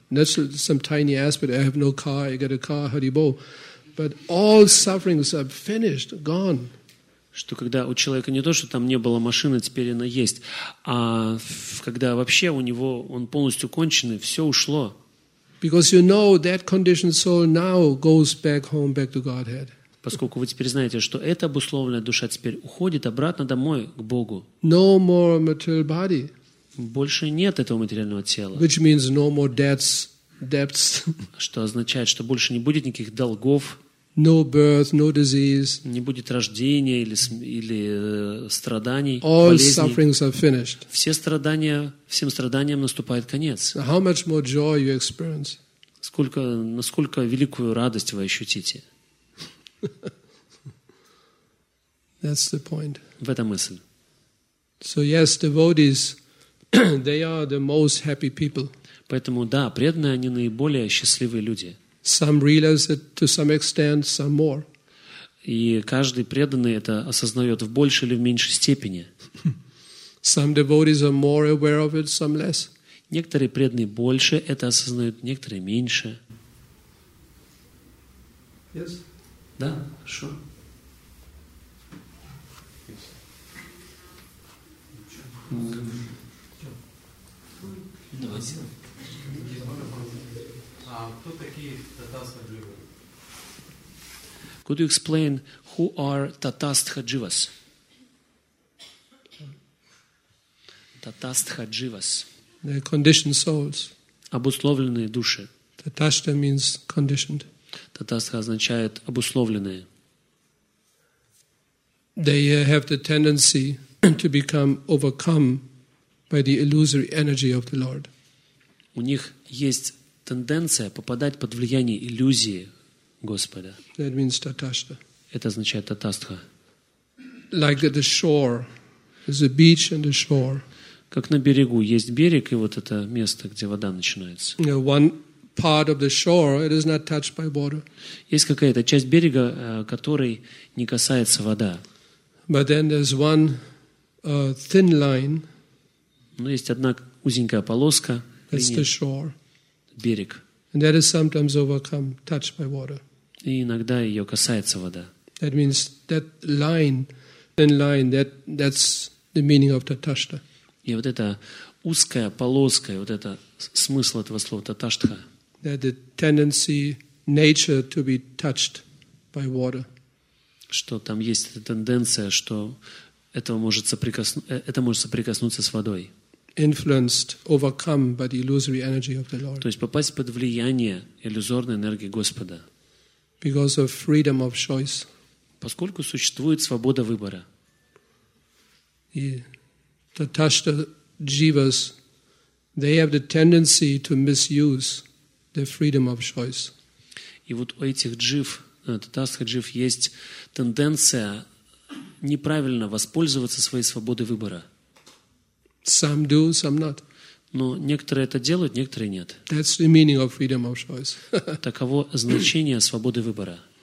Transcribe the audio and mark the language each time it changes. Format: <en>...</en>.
<en>That's some tiny aspect. I have no car. I get a car. Haribo. But all sufferings are finished, gone.</en> <ru>Что когда у человека не то, что там не было машины, теперь она есть, а когда вообще у него он полностью конченый, все ушло.</ru> <en>Because you know that conditioned soul now goes back home, back to Godhead.</en> <ru>Поскольку вы теперь знаете, что эта обусловленная душа теперь уходит обратно домой к Богу.</ru> <en>No more material body.</en> <ru>Больше нет этого материального тела.</ru> <en>Which means no more debts.</en> <ru>Что означает, что больше не будет никаких долгов.</ru> <en>No birth, no disease.</en> <ru>Не будет рождения или страданий,</ru> <en>All</en> <ru>болезней.</ru> <en>Sufferings are finished.</en> <ru>Все страдания, всем страданиям наступает конец.</ru> <en>How much more joy you experience?</en> <ru>Сколько, насколько великую радость вы ощутите?</ru> <en>That's the point.</en> <ru>В этом мысль.</ru> <en>So yes, devotees, they are the most happy people.</en> <ru>Поэтому да, преданные они наиболее счастливые люди.</ru> <en>Some realize it to some extent, some more.</en> <ru>И каждый преданный это осознает в большей или в меньшей степени.</ru> <en>Some devotees are more aware of it, some less.</en> <ru>Некоторые преданные больше это осознают, некоторые меньше.</ru> <en>Yes.</en> <ru>Да, хорошо.</ru> <en>Could you explain who are Tathastha Jivas? Tathastha Jivas. The conditioned souls.</en> <ru>Обусловленные души.</ru> <en>Tathastha means conditioned.</en> <ru>Татастха означает обусловленные.</ru> <en>They have the tendency to become overcome by the illusory energy of the Lord.</en> <ru>У них есть тенденция попадать под влияние иллюзии Господа.</ru> <en>That means Tathastha.</en> <ru>Это означает Татастха.</ru> <en>Like the shore, there's a beach and a shore.</en> <ru>Как на берегу есть берег и вот это место, где вода начинается.</ru> <en>One part of the shore, it is not touched by water.</en> <ru>Есть какая-то часть берега, которой не касается вода.</ru> <en>But then there's one thin line.</en> <ru>Но есть одна узенькая полоска.</ru> <en>That's the shore.</en> <ru>Берег.</ru> <en>And that is sometimes overcome, touched by water.</en> <ru>И иногда ее касается вода.</ru> <en>That means that line, thin line, that's the meaning of Tathastha.</en> <ru>И вот эта узкая полоска, вот это смысл этого слова Tathastha.</ru> <en>That the tendency, nature to be touched by water.</en> <ru>Что там есть эта тенденция, что это может соприкоснуться с водой.</ru> <en>Influenced, overcome by the illusory energy of the Lord.</en> <ru>То есть попасть под влияние иллюзорной энергии Господа.</ru> <en>Because of freedom of choice.</en> <ru>Поскольку существует свобода выбора. И</ru> <en>Tathastha Jivas, they have the tendency to misuse the freedom of choice.</en> <ru>И вот у этих джив, Tathastha Jiv, есть тенденция неправильно воспользоваться своей свободой выбора.</ru> <en>Some do, some not.</en> <ru>Но некоторые это делают, некоторые нет.</ru> <en>That's the meaning of freedom of choice.</en> <ru>Таково значение свободы выбора.</ru>